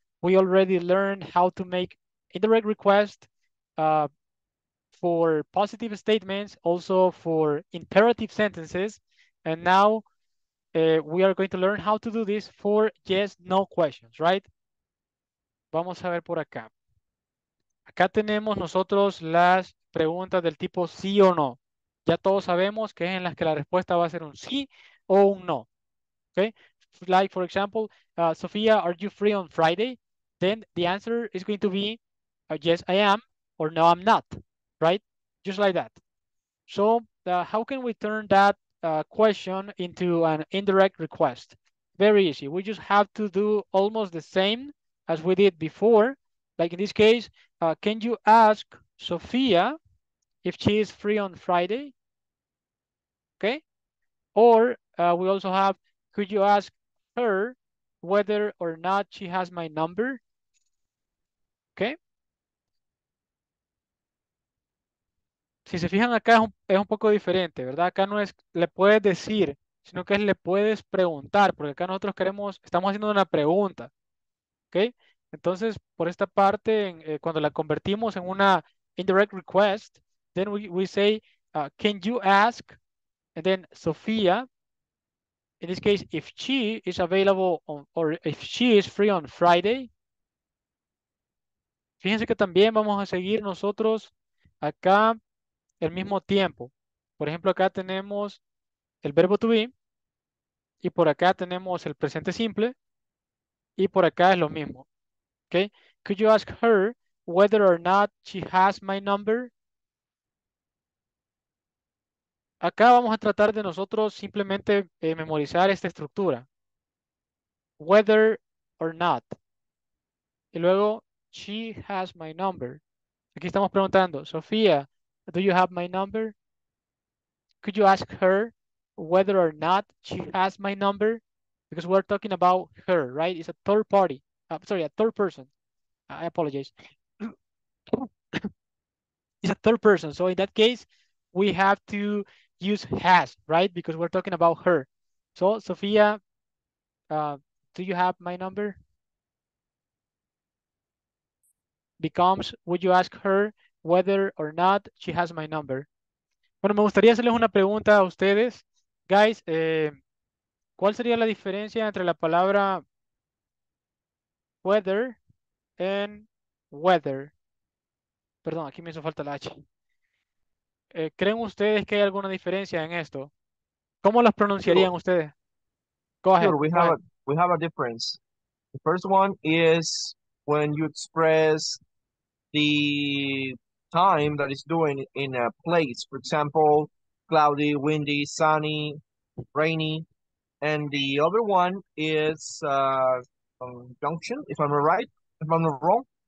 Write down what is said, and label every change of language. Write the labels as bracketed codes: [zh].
[en] We already learned how to make indirect requests for positive statements, also for imperative sentences. And now we are going to learn how to do this for yes, no questions, right? [es] Vamos a ver por acá. Acá tenemos nosotros las preguntas del tipo sí o no. Ya todos sabemos que es en las que la respuesta va a ser un sí o un no. Okay? [en] Like, for example, Sofía, are you free on Friday? Then the answer is going to be yes, I am, or no, I'm not, right? Just like that. So how can we turn that question into an indirect request? Very easy. We just have to do almost the same as we did before. Like in this case, can you ask Sofía if she is free on Friday? Okay. Or we also have, could you ask her whether or not she has my number? Okay. [es] Si se fijan acá es un poco diferente, ¿verdad? Acá no es le puedes decir, sino que es le puedes preguntar, porque acá nosotros queremos, estamos haciendo una pregunta. [en] Okay. [es] Entonces, por esta parte, cuando la convertimos en una [en] indirect request, then we say, can you ask, and then Sofía, in this case, if she is available on, or if she is free on Friday. [es] Fíjense que también vamos a seguir nosotros acá el mismo tiempo. Por ejemplo, acá tenemos el verbo to be y por acá tenemos el presente simple y por acá es lo mismo. Okay. [en] Could you ask her whether or not she has my number? [es] Acá vamos a tratar de nosotros simplemente memorizar esta estructura. [en] Whether or not. [es] Y luego... [en] She has my number. [es] Aquí estamos preguntando, [en] Sofía, do you have my number? Could you ask her whether or not she has my number? Because we're talking about her, right? It's a third party. A third person. I apologize. it's a third person. So in that case, we have to use has, right? Because we're talking about her. So Sofia, do you have my number? Becomes, would you ask her whether or not she has my number? [es] Bueno, me gustaría hacerles una pregunta a ustedes. Guys, ¿cuál sería la diferencia entre la palabra whether and whether? Perdón, aquí me hizo falta la H. ¿Creen ustedes que hay alguna diferencia en esto? ¿Cómo las pronunciarían ustedes? [en] Go ahead. Sure, we have a difference. The first one is when you express the time that it's doing in a place. For example, cloudy, windy, sunny, rainy. And the other one is conjunction, if I'm right, if I'm not wrong.